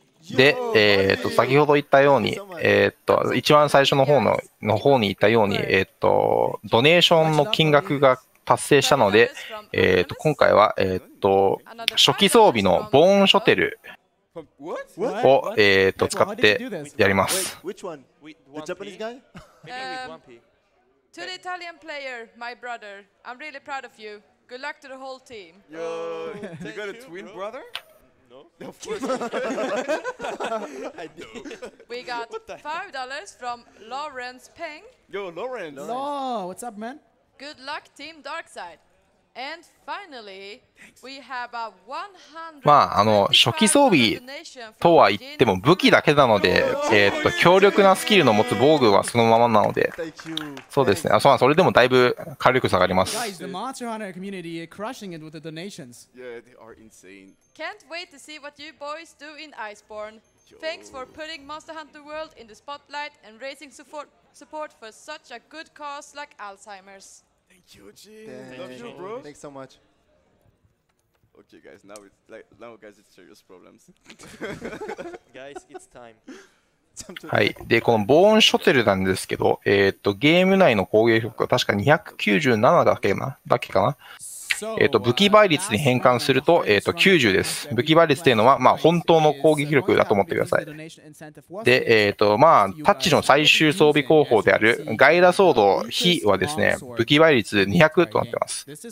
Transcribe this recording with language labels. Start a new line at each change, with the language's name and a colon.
Japanese: で、先ほど言ったように、一番最初の方 の方に言ったように、ドネーションの金額が達成したので、今回は、初期装備のボーンショテル。を使ってやります。
English: To the Italian player, my brother, I'm really proud of you. Good luck to the whole team. Yo, you got a twin brother? No. Of course. I do. We got $5 from Lawrence Peng. Yo, Lawrence. No, what's up, man? Good luck, Team Darkside. And finally, we have a 100.
Japanese: まあ初期装備とは言っても武器だけなので、強力なスキルの持つ防具はそのままなので、そうですね。それでもだいぶ火力下がります。
English: Guys, the Monster Hunter community is crushing it with the donations. Yeah, they are insane. Can't wait to see what you boys do in Iceborne. Thanks for putting Monster Hunter World in the spotlight and raising support for such a good cause like Alzheimer's. Thank you. Kyuji! Love you, bro! Thanks so much. Okay, guys, now it's like, now guys, it's serious problems. Guys, it's time.
Japanese: はい。で、このボーンショテルなんですけど、ゲーム内の攻撃力は確か297だけかな。武器倍率に変換すると、90です。武器倍率っていうのは、まあ、本当の攻撃力だと思ってください。で、まあ、タッチの最終装備候補である、ガイダソード、火はですね、武器倍率200となってます。